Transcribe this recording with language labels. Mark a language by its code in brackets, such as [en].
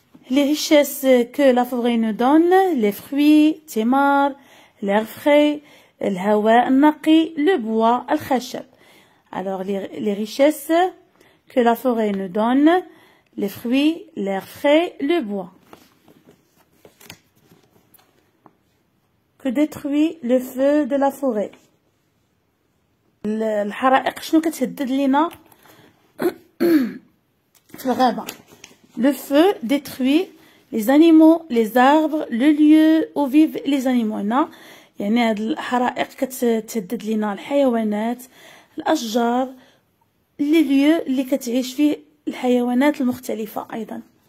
[fr] Les richesses que la forêt nous donne, les fruits, thémar, l'air frais, le hawa, naqi, le bois, le khashab. Alors les richesses que la forêt nous donne, les fruits, l'air frais, le bois. Que détruit le feu de la forêt? [ar] الحرائق شنو كتهدد لينا في الغابة. [fr] Le feu détruit les animaux, les arbres, le lieu où vivent les animaux. [ar] يعني هاد الحرائق كتهدد لينا الحيوانات، الأشجار، لي ليو اللي كتعيش فيه الحيوانات المختلفة أيضا.